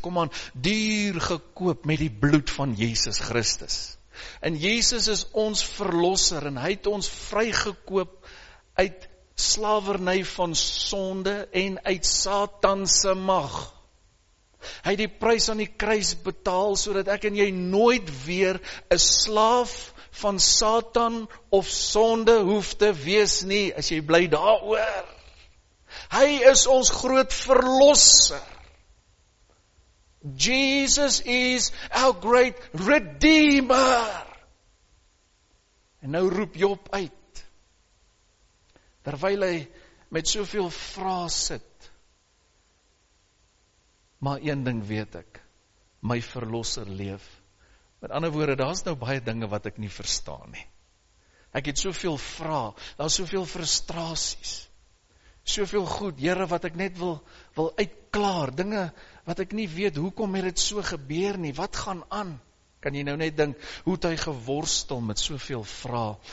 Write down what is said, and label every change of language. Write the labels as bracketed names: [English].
[Afrikaans] Kom aan, duur gekoop met die bloed van Jesus Christus. En Jesus is ons verlosser, en hy het ons vrygekoop uit slavernij van sonde en uit Satanse mag. Hy het die prys aan die kruis betaal, sodat ek en jy nooit weer 'n slaaf van Satan of sonde hoef te wees nie, as jy bly daaroor. Hy is ons groot verlosser. [English] Jesus is our great redeemer. [Afrikaans] En nou roep Job uit, terwyl hy met soveel vrae sit, maar een ding weet ek, my verlosser leef. Met ander woorde, daar is nou baie dinge wat ek nie verstaan nie. Ek het soveel vrae, daar is soveel frustrasies, soveel goed, Here, wat ek net wil uitklaar, dinge wat ek nie weet, hoekom het dit so gebeur nie, wat gaan aan? Kan jy nou net dink, hoe het hy geworstel met soveel vrae?